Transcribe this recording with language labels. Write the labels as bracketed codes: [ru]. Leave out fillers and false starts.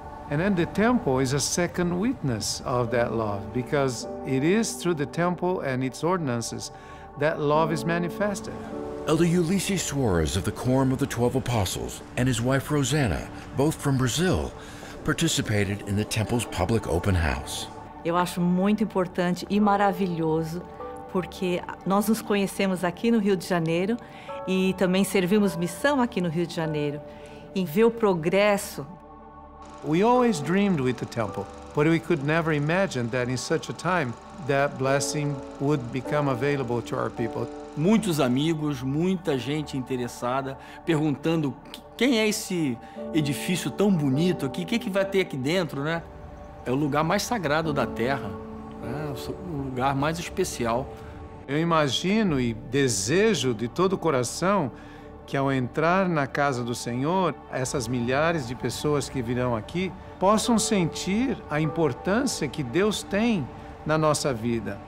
[en] And then the temple is a second witness of that love, because it is through the temple and its ordinances that love is manifested. Elder Ulysses Suarez of the Quorum of the 12 Apostles and his wife Rosanna, both from Brazil, participated in the temple's public open house. [pt] Eu acho muito importante e maravilhoso porque nós nos conhecemos aqui no Rio de Janeiro e também servimos missão aqui no Rio de Janeiro. E ver o progresso. [en] We always dreamed with the temple, but we could never imagine that in such a time that blessing would become available to our people. [pt] Muitos amigos, muita gente interessada, perguntando quem é esse edifício tão bonito aqui, o que, que vai ter aqui dentro, né? É o lugar mais sagrado da Terra, né? O lugar mais especial. Eu imagino e desejo de todo o coração que ao entrar na casa do Senhor, essas milhares de pessoas que virão aqui possam sentir a importância que Deus tem na nossa vida.